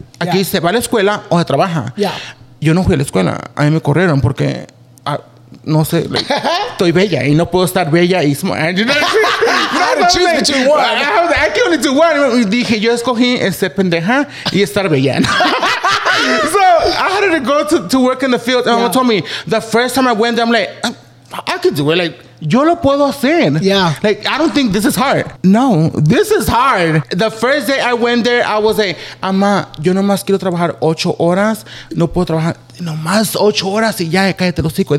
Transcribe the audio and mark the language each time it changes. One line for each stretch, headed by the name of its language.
Spanish: Aquí se va a la escuela o se trabaja.
English: Yeah.
Spanish: Yo no fui a la escuela. A mí me corrieron porque, no sé, like, estoy bella y no puedo estar bella y smart.
English: You know what I mean? I can only do one.
Spanish: Dije, yo escogí ser pendeja y estar bella.
English: So I had to go to work in the field. And my mom told me, the first time I went there, I'm like, I could do it.
Spanish: Like, yo lo puedo hacer.
English: Yeah. Like, I don't think this is hard. No, this is hard. The first day I went there, I was like, mamá,
Spanish: yo nomás quiero trabajar 8 horas. No puedo trabajar nomás 8 horas y ya, cállate los hijos.